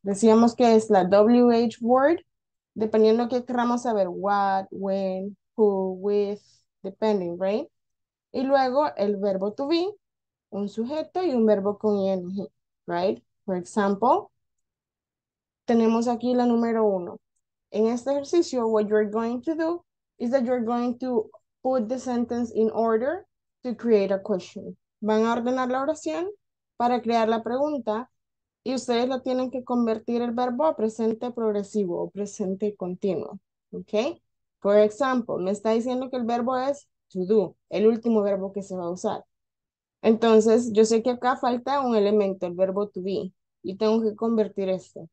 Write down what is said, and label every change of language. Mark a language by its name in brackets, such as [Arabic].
[Spanish] Decíamos que es la WH word, dependiendo qué queramos saber, what, when, who, with, [English] depending, right? [Spanish] Y luego el verbo to be, un sujeto y un verbo con ing, [English] right? For example, [Spanish] tenemos aquí la número uno. En este ejercicio, [English] what you're going to do is that you're going to put the sentence in order to create a question. [Spanish] Van a ordenar la oración para crear la pregunta y ustedes la tienen que convertir el verbo a presente progresivo o presente continuo, ¿ok? [English] For example, [Spanish] me está diciendo que el verbo es to do, el último verbo que se va a usar. Entonces, yo sé que acá falta un elemento, el verbo to be, y tengo que convertir esto.